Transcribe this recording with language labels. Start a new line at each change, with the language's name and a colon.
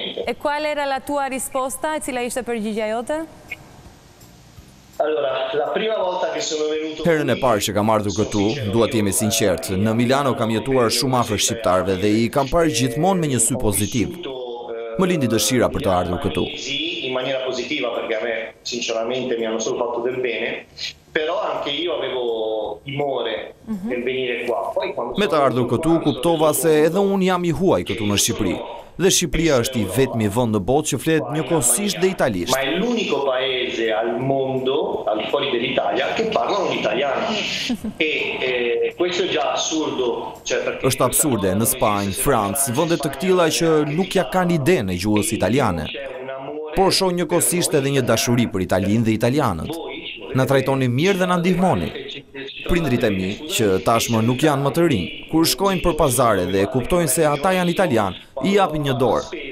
Italian: E quale era la tua risposta,
Albanian: e cila ishte përgjigja jote? Herën e parë që kam ardhur këtu, duhet të jemi sinqert, në Milano kam jetuar shumë afër shqiptarëve dhe i kam parë gjithmonë me një sy pozitiv. Më lindi dëshira për të ardhur këtu.
Italian: In maniera positiva perché a me sinceramente mi hanno solo fatto del bene, però anche io avevo timore nel venire qua. Poi quando
Albanian: me të ardhur këtu kuptova se edhe un jam i huaj këtu në Shqipëri. Dhe Shqipëria është i vetmi vend në botë që flet njëkohësisht dhe italisht.
Italian: Ma è l'unico paese al mondo, al fuori dell'Italia, che parlano italiano. E questo è già assurdo, cioè perché
Albanian: është absurde në Spanjë, Francë, vende të tilla që nuk ja kanë idenë e gjuhës italiane. Por shoh njëkohësisht edhe një dashuri për italianin dhe italianët. Na trajtoni mirë dhe na ndihmoni. Prindrit e mi, që tashmë nuk janë më të rinj, kur shkojnë për pazare dhe kuptojnë se ata janë italian, i japin një dorë.